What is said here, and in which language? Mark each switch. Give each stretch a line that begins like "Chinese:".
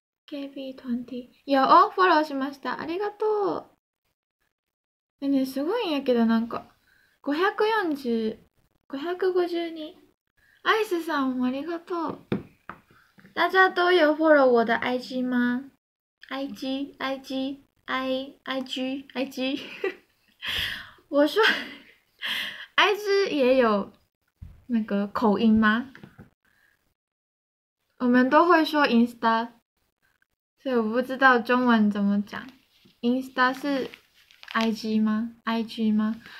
Japanese: KB20。よお、フォローしました。ありがとう。ねえ、すごいんやけど、なんか。 540、552。アイスさん、ありがとう。
Chinese: 大家都有 follow 我的 IG 吗？IG，IG，IG，IG，IG。我说 ，IG 也有那个口音吗？我们都会说 Insta，所以我不知道中文怎么讲。 Insta 是 IG 吗？IG 吗？